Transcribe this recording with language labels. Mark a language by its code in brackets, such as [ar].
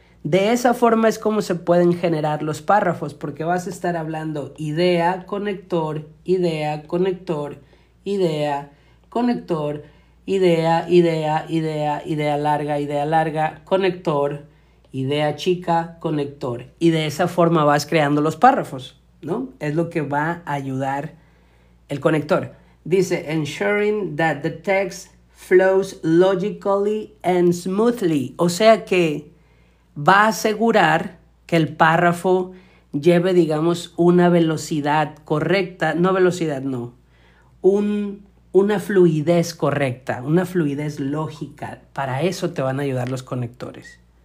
[es] De esa forma es como se pueden generar los párrafos, porque vas a estar hablando idea, conector, idea, conector, idea, conector, idea, idea, idea, idea larga, conector, idea chica, conector. Y de esa forma vas creando los párrafos, ¿no? Es lo que va a ayudar el conector. [en] Dice, ensuring that the text flows logically and smoothly. [es] O sea que va a asegurar que el párrafo lleve, digamos, una velocidad correcta. No velocidad, no. Una fluidez correcta, una fluidez lógica. Para eso te van a ayudar los conectores.